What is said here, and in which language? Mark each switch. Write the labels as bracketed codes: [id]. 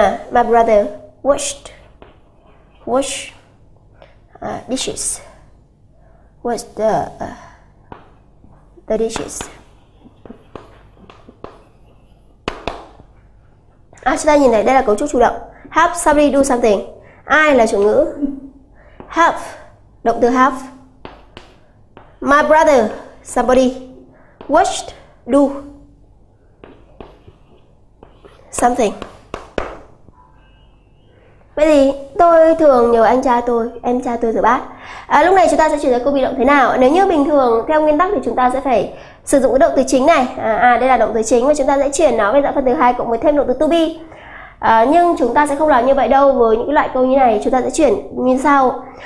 [en] My brother wash dishes. Wash the dishes. [vi] Chúng ta nhìn này, đây là cấu trúc chủ động. [en] Help somebody do something. [vi] Ai là chủ ngữ? Help, động từ help. [en] My brother, somebody, washed, do something. [vi] Vậy thì tôi thường nhờ anh trai tôi, em trai tôi rửa bát. Lúc này chúng ta sẽ chuyển sang câu bị động thế nào? Nếu như bình thường theo nguyên tắc thì chúng ta sẽ phải sử dụng cái động từ chính này. Đây là động từ chính và chúng ta sẽ chuyển nó về dạng phân từ 2 cộng với thêm động từ to be. Nhưng chúng ta sẽ không làm như vậy đâu. Với những loại câu như này chúng ta sẽ chuyển như sau.